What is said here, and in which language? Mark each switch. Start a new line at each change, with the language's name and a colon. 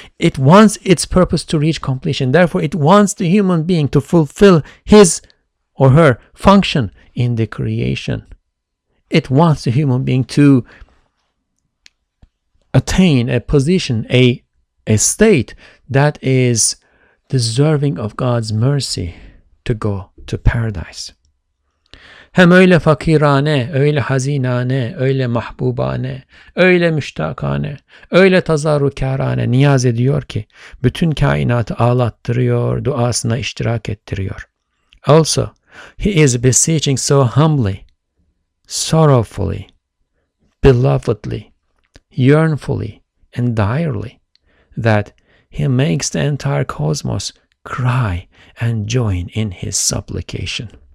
English: It wants its purpose to reach completion. Therefore, it wants the human being to fulfill his or her function in the creation. It wants the human being to attain a position, a state that is deserving of God's mercy to go to paradise.
Turkish: Hem öyle fakirane, öyle hazinane, öyle mahbubane, öyle müştakane, öyle tazarrukârane niyaz ediyor ki bütün kainatı ağlattırıyor, duasına iştirak ettiriyor.
English: Also, he is beseeching so humbly, sorrowfully, belovedly, yearnfully, and direly that he makes the entire cosmos cry and join in his supplication.